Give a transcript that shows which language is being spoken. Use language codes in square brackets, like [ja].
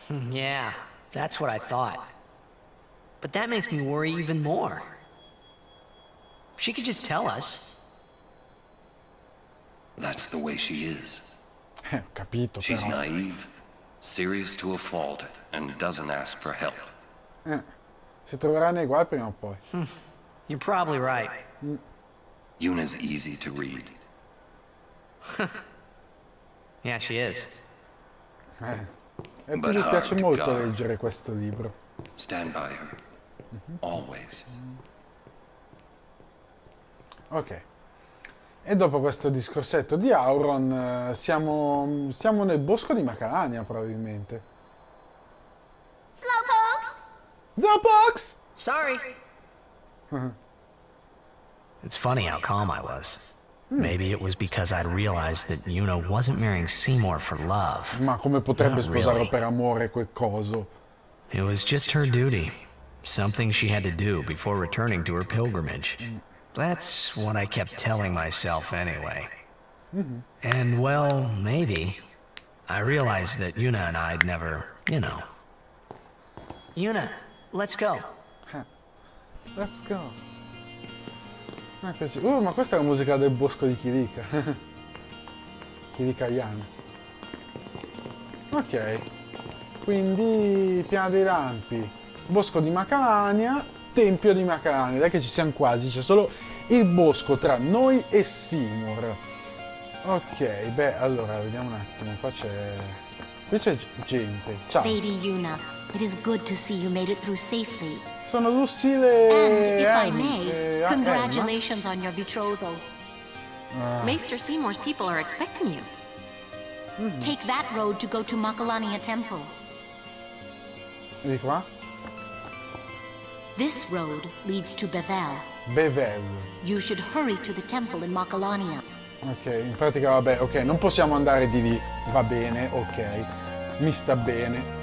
[en] Yeah, that's what I thought. But that makes me worry even more. She could just tell us. That's the way she is. [it] Capito, [en] she's naive, serious to a fault, and doesn't ask for help. [it] Si troverà nei guai prima o poi. [en] You're probably right. Yuna's easy to read. Yeah, she is. [it] E mi piace molto leggere questo libro. [en] Stand by her. Always. Ok. [it] E dopo questo discorsetto di Auron, siamo nel bosco di Macalania, probabilmente. [en] Slowpokes! Slowpokes! Sorry. It's funny how calm I was. Maybe it was because I'd realized that Yuna wasn't marrying Seymour for love. [it] Ma come potrebbe sposarlo per amore quel coso? [en] It was just her duty. Something she had to do before returning to her pilgrimage. That's what I kept telling myself anyway. And well, maybe. I realized that Yuna and I'd never, you know. Yuna, let's go. Let's go. [it] Ma questa è la musica del bosco di Kirika. Kirika Yan. Ok. quindi piana dei lampi, bosco di Macalania, tempio di Macalania. Dai che ci siamo quasi, c'è solo il bosco tra noi e Seymour. Ok, beh, allora vediamo un attimo, qui c'è gente. Ciao [en] Lady Yuna, it is good to see you made it through safely. [it] Sono Lucille. [en] And if I may, congratulations on your betrothal. Maester Seymour's people are expecting you. Take that road to go to Makalania Temple. [it] Di qua? [en] This road leads to Bevel. Bevel. You should hurry to the temple in Makalania. [it] Ok, in pratica vabbè, ok, non possiamo andare di lì. Va bene, ok. Mi sta bene.